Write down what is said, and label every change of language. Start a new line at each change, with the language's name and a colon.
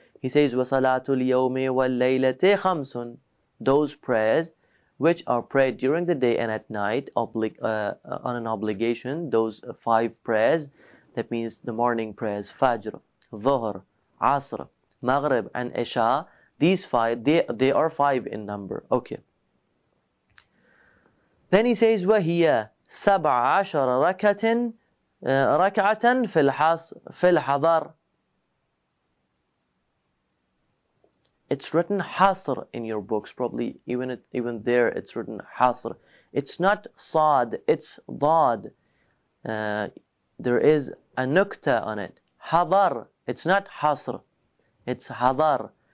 English: He says,
Arabic: وَصَلَاتُ الْيَوْمِ وَالْلَيْلَةِ خَمْسٌ,
English: those prayers which are prayed during the day and at night on an obligation, those five prayers, that means the morning prayers, Fajr, Dhuhr, Asr, Maghrib, and Isha, these five, they are five in number. Okay. Then he says,
Arabic: وَهِيَ سَبْعَ عَشَرَ رَكَةٍ رَكْعَةً فِي الْحَضَرِ.
English: It's written حَصْر in your books, probably even there it's written حَصْر. It's not صَاد, it's ضَاد. There is a nukta on it. حَضَر, it's not حَصْر, it's حَضَر.